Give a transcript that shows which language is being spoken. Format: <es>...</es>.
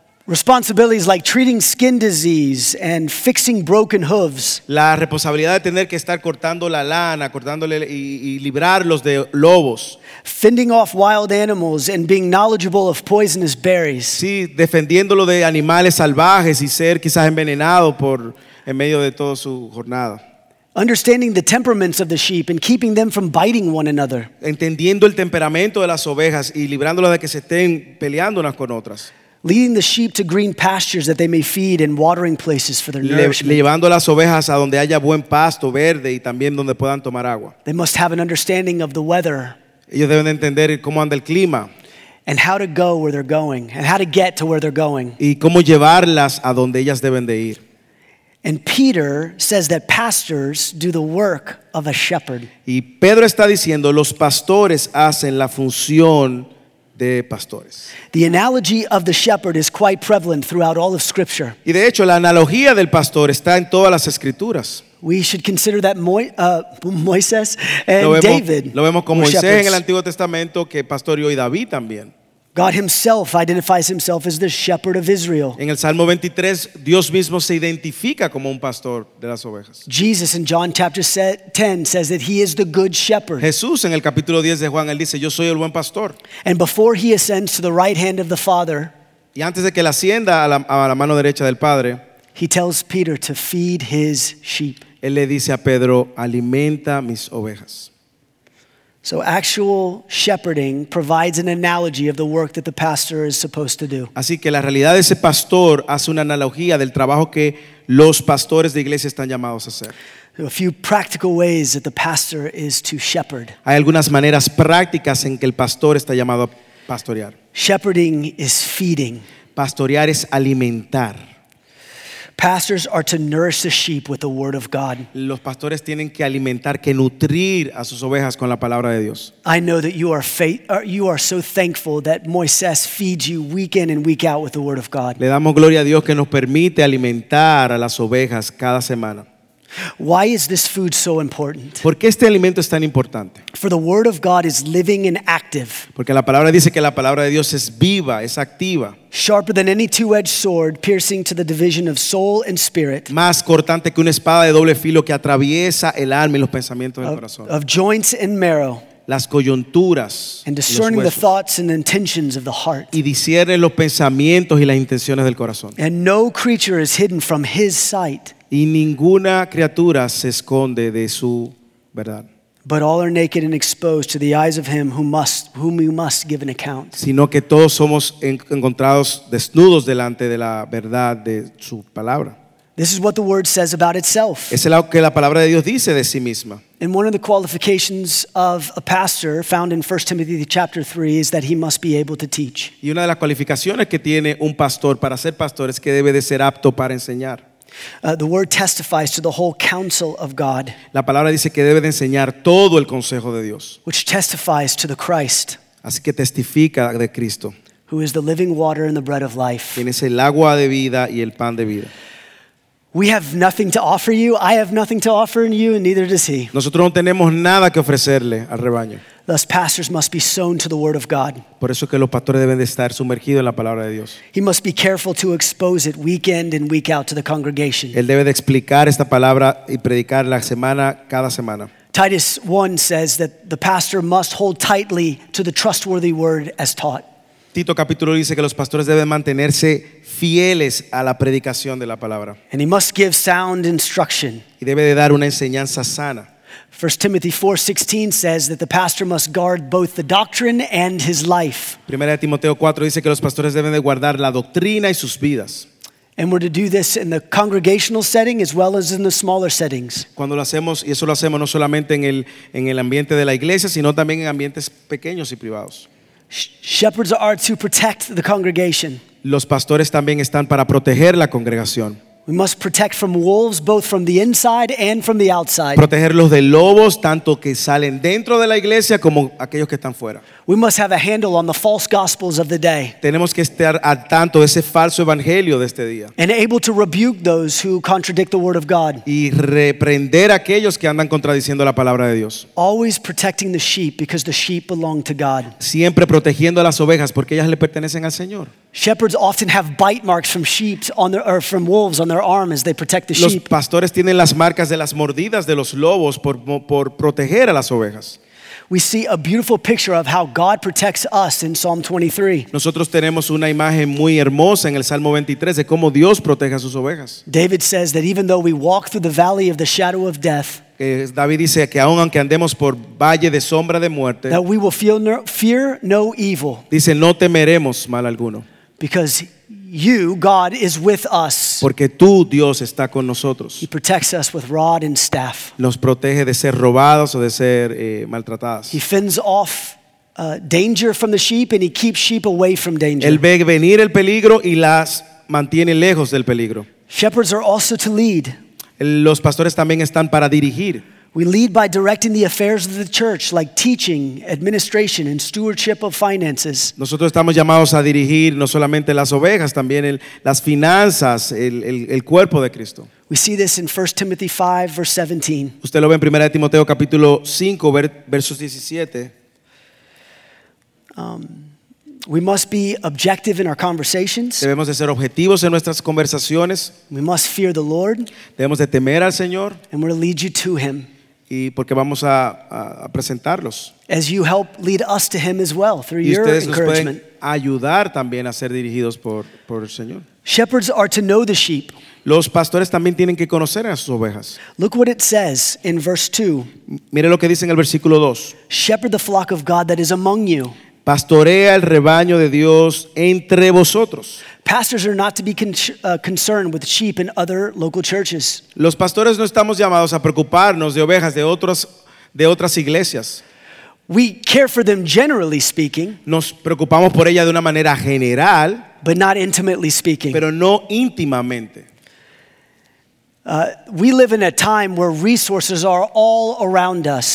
<en>Responsibilities like treating skin disease and fixing broken hooves.</en> <es>La responsabilidad de tener que estar cortando la lana, cortándole y librarlos de lobos.</es> <en>Fending off wild animals and being knowledgeable of poisonous berries.</en> <es>Sí, defendiéndolo de animales salvajes y ser quizás envenenado por en medio de toda su jornada.</es> <en>Understanding the temperaments of the sheep and keeping them from biting one another.</en> <es>Entendiendo el temperamento de las ovejas y librándolas de que se estén peleando unas con otras.</es> <en>Leading the sheep to green pastures that they may feed and watering places for their nourishment.</en> <es>Llevando las ovejas a donde haya buen pasto verde y también donde puedan tomar agua.</es> <en>They must have an understanding of the weather.</en> <es>Ellos deben entender cómo anda el clima.</es> <en>And how to go where they're going and how to get to where they're going.</en> <es>Y cómo llevarlas a donde ellas deben de ir.</es> <en>And Peter says that pastors do the work of a shepherd.</en> <es>Y Pedro está diciendo los pastores hacen la función de pastores.</es> <en>The analogy of the shepherd is quite prevalent throughout all of Scripture.</en> <es>Y de hecho la analogía del pastor está en todas las escrituras.</es> <en>We should consider that Moisés and</en> <es>lo vemos,</es> <en>David.</en> <es>Lo vemos como Moisés en el Antiguo Testamento que pastoreó y David también.</es> <en>God himself identifies himself as the shepherd of Israel.</en> <es>En el Salmo 23, Dios mismo se identifica como un pastor de las ovejas.</es> <en>Jesus in John chapter 10 says that he is the good shepherd.</en> <es>Jesús en el capítulo 10 de Juan él dice, yo soy el buen pastor.</es> <en>And before he ascends to the right hand of the Father,</en> <es>y antes de que la ascienda a la mano derecha del Padre,</es> <en>he tells Peter to feed his sheep.</en> <es>Él le dice a Pedro, alimenta mis ovejas.</es> <en>So actual shepherding provides an analogy of the work that the pastor is supposed to do.</en> <es>Así que la realidad de ese pastor hace una analogía del trabajo que los pastores de iglesia están llamados a hacer.</es> <en>So a few practical ways that the pastor is to shepherd.</en> <es>Hay algunas maneras prácticas en que el pastor está llamado a pastorear.</es> <en>Shepherding is feeding.</en> <es>Pastorear es alimentar.</es> <en>Pastors are to nourish the sheep with the word of God.</en> <es>Los pastores tienen que alimentar, que nutrir a sus ovejas con la palabra de Dios.</es> <en>I know that you are so thankful that Moisés feeds you week in and week out with the word of God.</en> <es>Le damos gloria a Dios que nos permite alimentar a las ovejas cada semana.</es> <en>Why is this food so important?</en> <es>¿Por qué este alimento es tan importante?</es> <en>For the word of God is living and active.</en> <es>Porque la palabra dice que la palabra de Dios es viva, es activa.</es> <en>Sharper than any two-edged sword, piercing to the division of soul and spirit.</en> <es>Más cortante que una espada de doble filo que atraviesa el alma y los pensamientos del corazón.</es> <en>Of joints and marrow.</en> <es>Las coyunturas.</es> <en>And discerning the thoughts and intentions of the heart.</en> <es>Y discierne los pensamientos y las intenciones del corazón.</es> <en>And no creature is hidden from his sight.</en> <es>Y ninguna criatura se esconde de su verdad.</es> <en>But all are naked and exposed to the eyes of him whom you must give an account.</en> <es>Sino que todos somos encontrados desnudos delante de la verdad de su palabra.</es> <en>This is what the word says about itself.</en> <es>Es lo que la palabra de Dios dice de sí misma.</es> <en>And one of the qualifications of a pastor found in 1 Timothy chapter 3 is that he must be able to teach.</en> <es>Y una de las cualificaciones que tiene un pastor para ser pastor es que debe de ser apto para enseñar.</es> <en>The word testifies to the whole counsel of God.</en> <es>La palabra dice que debe de enseñar todo el consejo de Dios.</es> <en>Which testifies to the Christ.</en> <es>Así que testifica de Cristo.</es> <en>Who is the living water and the bread of life.</en> <es>Quien es el agua de vida y el pan de vida.</es> <en>We have nothing to offer you. I have nothing to offer in you, and neither does he.</en> <es>Nosotros no tenemos nada que ofrecerle al rebaño.</es> <en>Thus, pastors must be sown to the word of God.</en> <es>Por eso que los pastores deben de estar sumergidos en la palabra de Dios.</es> <en>He must be careful to expose it week in and week out to the congregation.</en> <es>Él debe de explicar esta palabra y predicarla semana cada semana.</es> <en>Titus 1 says that the pastor must hold tightly to the trustworthy word as taught.</en> <es>Tito capítulo dice que los pastores deben mantenerse fieles a la predicación de la palabra.</es> <en>And he must give sound instruction.</en> <es>Y debe de dar una enseñanza sana.</es> <en>1 Timothy 4:16 says that the pastor must guard both the doctrine and his life.</en> <es>Primera de Timoteo 4 dice que los pastores deben de guardar la doctrina y sus vidas.</es> <en>And we're to do this in the congregational setting as well as in the smaller settings.</en> <es>Cuando lo hacemos, y eso lo hacemos no solamente en el ambiente de la iglesia, sino también en ambientes pequeños y privados.</es> <en>Shepherds are to protect the congregation.</en> <es>Los pastores también están para proteger la congregación.</es> <en>We must protect from wolves, both from the inside and from the outside.</en> <es>Protegerlos de lobos, tanto que salen dentro de la iglesia como aquellos que están fuera.</es> <en>We must have a handle on the false gospels of the day.</en> <es>Tenemos que estar al tanto de ese falso evangelio de este día.</es> <en>And able to rebuke those who contradict the word of God.</en> <es>Y reprender a aquellos que andan contradiciendo la palabra de Dios.</es> <en>Always protecting the sheep because the sheep belong to God.</en> <es>Siempre protegiendo a las ovejas porque ellas le pertenecen al Señor.</es> <en>Shepherds often have bite marks from sheep on their or from wolves on their arm as they protect the sheep.</en> <es>Los pastores tienen las marcas de las mordidas de los lobos por proteger a las ovejas.</es> <en>We see a beautiful picture of how God protects us in Psalm 23.</en> <es>Nosotros tenemos una imagen muy hermosa en el Salmo 23 de cómo Dios protege a sus ovejas.</es> <en>David says that even though we walk through the valley of the shadow of death,</en> <es>David dice que aun aunque andemos por valle de sombra de muerte,</es> <en>that we will fear no evil.</en> <es>Dice, no temeremos mal alguno.</es> <en>Because you, God, is with us.</en> <es>Porque tú, Dios, está con nosotros.</es> <en>He protects us with rod and staff.</en> <es>Nos protege de ser robados o de ser maltratadas.</es> <en>He fends off danger from the sheep and he keeps sheep away from danger.</en> <es>Él ve venir el peligro y las mantiene lejos del peligro.</es> <en>Shepherds are also to lead.</en> <es>Los pastores también están para dirigir.</es> <en>We lead by directing the affairs of the church, like teaching, administration, and stewardship of finances.</en> <es>Nosotros estamos llamados a dirigir no solamente las ovejas, también las finanzas, el cuerpo de Cristo.</es> <en>We see this in 1 Timothy 5, verse 17.</en> <es>Usted lo ve en 1 Timoteo capítulo 5, versos 17.</es> <en>We must be objective in our conversations.</en> <es>Debemos de ser objetivos en nuestras conversaciones.</es> <en>We must fear the Lord.</en> <es>Debemos de temer al Señor.</es> <en>And we're to lead you to Him.</en> <es>Y porque vamos a presentarlos.</es> <en>As you help lead us to Him as well through</en> <es>y</es> <en>your encouragement.</en> <es>Ayudar también a ser dirigidos por el Señor.</es> <en>Shepherds are to know the sheep.</en> <es>Los pastores también tienen que conocer a sus ovejas.</es> <en>Look what it says in verse 2.</en> <es>Mire lo que dice en el versículo 2.</es> <en>Shepherd the flock of God that is among you.</en> <es>Pastorea el rebaño de Dios entre vosotros.</es> <en>Pastors are not to be concerned with sheep in other local churches.</en> <es>Los pastores no estamos llamados a preocuparnos de ovejas de otras iglesias.</es> <en>We care for them generally speaking.</en> <es>Nos preocupamos por ella de una manera general.</es> <en>But not intimately speaking.</en> <es>Pero no íntimamente.</es> <en>We live in a time where resources are all around us.</en>